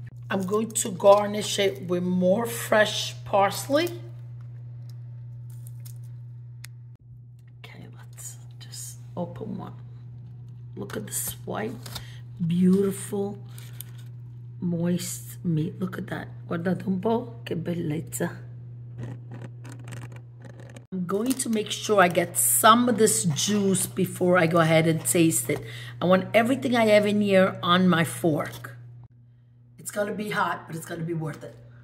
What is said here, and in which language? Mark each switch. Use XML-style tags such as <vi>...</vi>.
<en>I'm going to garnish it with more fresh parsley. Okay, let's just open one. Look at this white, beautiful, moist meat. Look at that.</en> <it>Guardate un po', che bellezza.</it> <en>I'm going to make sure I get some of this juice before I go ahead and taste it. I want everything I have in here on my fork. It's gonna be hot, but it's gonna be worth it.</en>